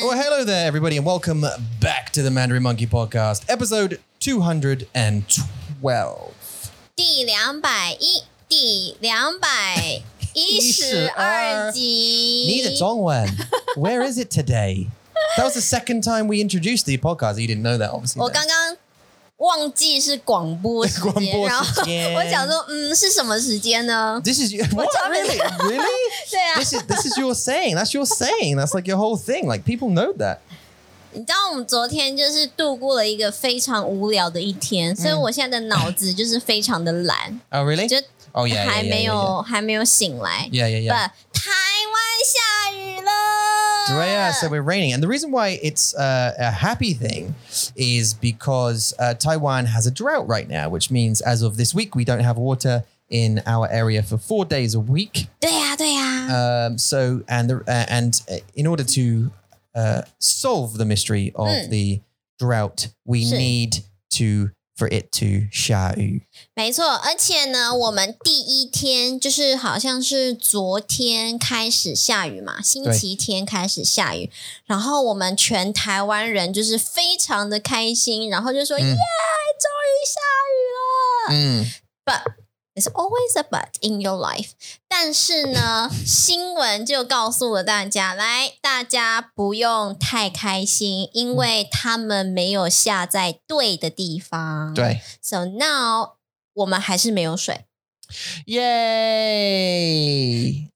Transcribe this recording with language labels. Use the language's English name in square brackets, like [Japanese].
[English] Well, hello there, everybody, and welcome back to the Mandarin Monkey podcast, episode 212. [Chinese] 第212集。 [English] Need a Zongwen. Where is it today? That was the second time we introduced the podcast. You didn't know that, obviously. [Chinese] 我刚刚忘记是广播时间，广播时间。我想说，是什么时间呢 [English] ？This is what really, really. [Chinese] 对啊 [English] ，This is your saying. That's your saying. That's like your whole thing. Like people know that. [Chinese] 你知道我们昨天就是度过了一个非常无聊的一天，所以我现在的脑子就是非常的懒。 [English] Oh, really? [Chinese] 就还没有醒来。 [English] Yeah, yeah, yeah. But [Chinese] 台湾下雨了。 [English] Right, yeah. So we're raining, and the reason why it's a happy thing is because Taiwan has a drought right now, which means as of this week we don't have water in our area for 4 days a week. [Chinese] 对呀，对呀。 [English] So in order to solve the mystery of the drought, we need to for it to [Chinese] 下雨。没错，而且呢，我们第一天就是好像是昨天开始下雨嘛，星期天开始下雨，然后我们全台湾人就是非常的开心，然后就说耶，终于下雨了。 [English] But it's always a but in your life. [Chinese] 但是呢，新闻就告诉了大家，来，大家不用太开心，因为他们没有下在对的地方。对。 [English] So now, [Chinese] 我们还是没有水。 [English] Yay!